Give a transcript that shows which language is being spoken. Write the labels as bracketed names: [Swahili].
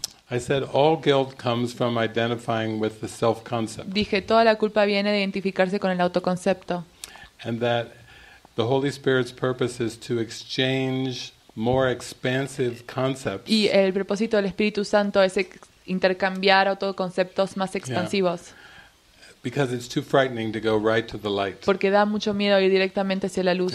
[English] I said all guilt comes from identifying with the self-concept. [Spanish] Dije toda la culpa viene de identificarse con el autoconcepto. [English] And that the Holy Spirit's purpose is to exchange more expansive concepts. [Spanish] Y el propósito del Espíritu Santo es intercambiar autoconceptos más expansivos. Yeah. [English] Because it's too frightening to go right to the light. [Spanish] Porque da mucho miedo ir directamente hacia la luz.